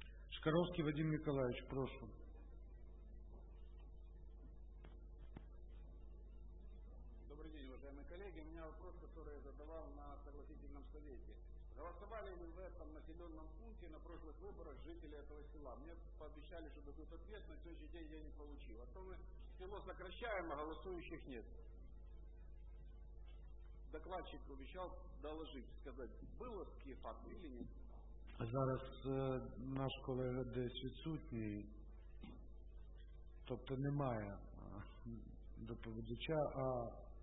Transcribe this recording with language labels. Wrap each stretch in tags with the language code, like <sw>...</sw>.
<ru>Шкаровський Вадим Миколаевич, прошу. Добрый день, уважаемые коллеги. У меня вопрос, который я задавал на согласительном совете. Голосовали ли в этом населенном пункте на прошлых выборах жители этого села? Мне пообещали, что дадут ответ, но в следующий день я не получил. А то мы село сокращаем, а голосующих нет. Докладчик обещал доложить, сказать, было такие факты или нет.</ru> <uk>Зараз наш колега десь відсутній, тобто немає доповідача, а</uk>